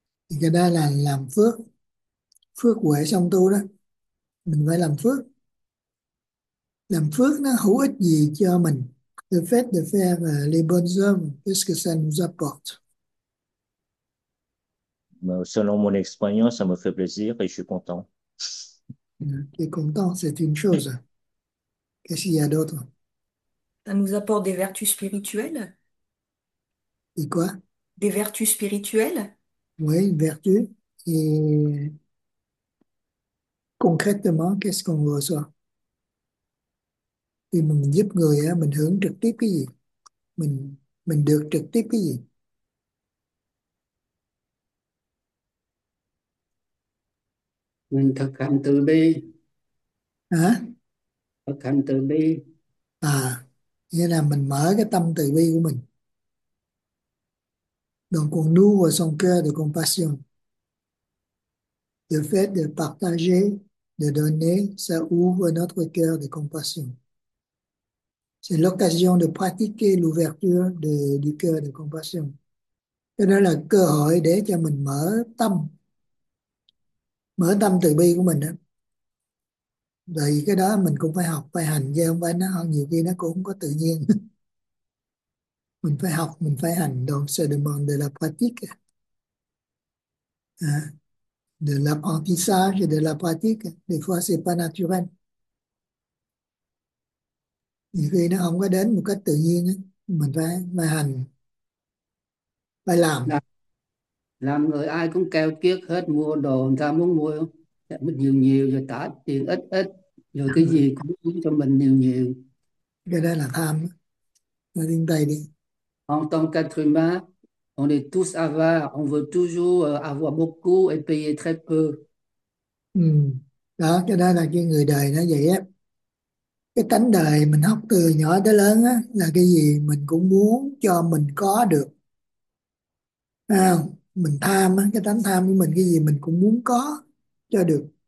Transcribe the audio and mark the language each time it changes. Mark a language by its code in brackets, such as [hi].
[vi] Thì cái đó là làm phước, phước huệ song tu đó. Mình phải làm phước, làm phước nó hữu ích gì cho mình? [fr] The fait de faire les bonnes œuvres, Selon mon expérience, ça me fait plaisir et je suis content. qu'est-ce que ça nous apporte? T'es content, c'est une chose. Qu'est-ce qu'il y a d'autre? Ça nous apporte des vertus spirituelles? Et quoi? Des vertus spirituelles? Oui, une vertu. Et concrètement, qu'est-ce qu'on reçoit? [vi] Khi mình giúp người á, mình hưởng trực tiếp cái gì? Mình được trực tiếp cái gì? Mình thực hành từ bi, Hả? thực hành từ bi. À, nghĩa là mình mở cái tâm từ bi của mình. [fr] Donc on ouvre son cœur de compassion. Le fait de partager, de donner, ça ouvre notre cœur de compassion. C'est l'occasion de pratiquer l'ouverture du cœur de compassion. [vi] Cho nên là cơ hội để cho mình mở tâm từ bi của mình đó. Vậy cái đó mình cũng phải học, phải hành, chứ không phải nó nhiều khi nó cũng không có tự nhiên. Mình phải học, mình phải hành. [fr] Donc, c'est le monde de la pratique. À, de l'apprentissage et de la pratique. Des fois, c'est pas naturel. [vi] Nhiều khi nó không có đến một cách tự nhiên. Mình phải hành, phải làm. Làm người ai cũng keo kiệt hết, mua đồ người ta muốn mua mình nhiều nhiều rồi trả tiền ít ít rồi cái Cái gì cũng muốn cho mình nhiều nhiều, đó là tham. Nói tiếng Tây đi. [fr] en tant qu'être humain on est tous avares, on veut toujours avoir beaucoup et payer très peu. [vi] Đó, cho nên là cái người đời nó vậy á. Cái tánh đời mình học từ nhỏ tới lớn á, là cái gì mình cũng muốn cho mình có được. À, mình tham á, cái tánh tham của mình cái gì mình cũng muốn có cho được.